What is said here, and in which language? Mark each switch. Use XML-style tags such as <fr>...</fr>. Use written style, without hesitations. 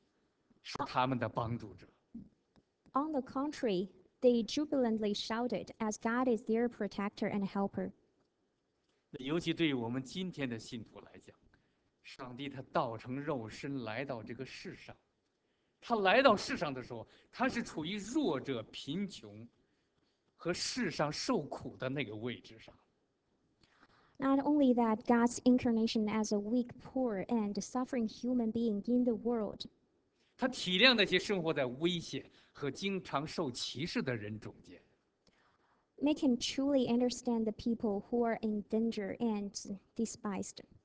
<zh>反之，他们现在欢欣呼喊，因为上帝就是他们的保卫者，是他们的帮助者。</zh> <en>On the contrary, they jubilantly shouted as God is their protector and helper.</en> <zh>尤其对于我们今天的信徒来讲。上帝他道成肉身来到这个世上，他来到世上的时候，他是处于弱者、贫穷和世上受苦的那个位置上。</zh> <en>Not only that, God's incarnation as a weak, poor, and suffering human being in the world.</en> <zh>他体谅那些生活在危险和经常受歧视的人中间。</zh> <en>Make him truly understand the people who are in danger and despised.</en>